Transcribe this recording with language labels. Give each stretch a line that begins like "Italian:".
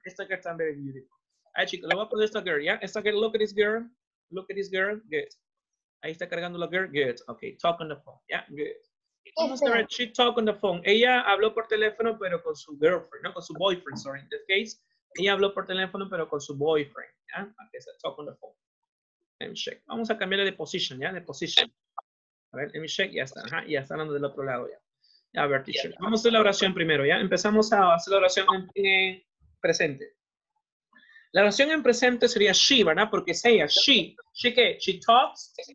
English: Esta girl está very beautiful.
Spanish: Ay, chicos, le voy a poner esta girl, ¿ya?
English: Yeah? Esta girl, look at this girl. Look at this girl. Good.
Spanish: Ahí está cargando la girl.
English: Good. Ok, talk on the phone. ¿Ya? Yeah? Good. She talk on the phone.
Spanish: Ella habló por teléfono, pero con su girlfriend, ¿no? Con su boyfriend, sorry.
English: In this case,
Spanish: ella habló por teléfono, pero con su boyfriend, ¿ya? Aquí está,
English: talk on the phone. Let me check.
Spanish: Vamos a cambiarle de posición, ¿ya? De posición. A ver,
English: let me check.
Spanish: Ya está. Ajá, ya está hablando del otro lado, ¿ya? A ver, teacher. Vamos a hacer la oración primero, ¿ya? Empezamos a hacer la oración en presente. La oración en presente sería she, ¿verdad? Porque es ella, she. ¿She qué?
English: She talks.